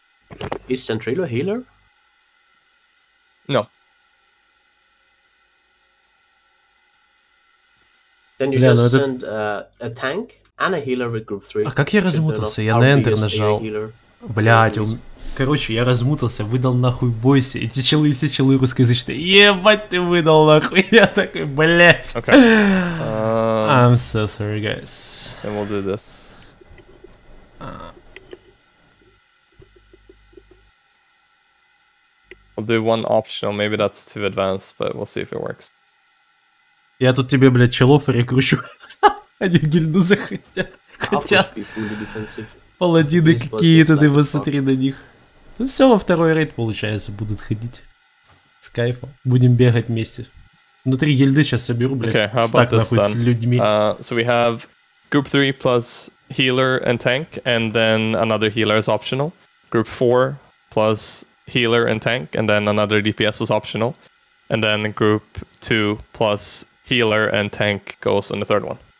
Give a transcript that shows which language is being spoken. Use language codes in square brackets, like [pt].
[en] Okay. Is Centrilo a healer? No. Then you just send a tank and a healer with group 3. [ru] А как я размутался? Я на Enter нажал. Блять, короче, я размутался, выдал нахуй бойся, эти челы и все челы русскоязычные. Ебать ты выдал нахуй, я такой, блять. [en] Okay. I'm so sorry, guys. And we'll do this. We'll do one optional, maybe that's too advanced, but we'll see if it works. [ru] Я тут тебе, блять, челов рекручу. Они в гильду захотят. Паладины какие-то, ты посмотри на них. Ну все, во второй рейд, получается, будут ходить. С кайфом. Будем бегать вместе. Внутри гильды сейчас соберу, блядь, [en] okay, [ru] стак нахуй [en] then? [ru] С людьми. [en] So we have group 3 plus healer and tank, and then another healer is optional. Group 4 plus healer and tank, and then another DPS is optional. And then group 2 plus healer and tank goes on the third one.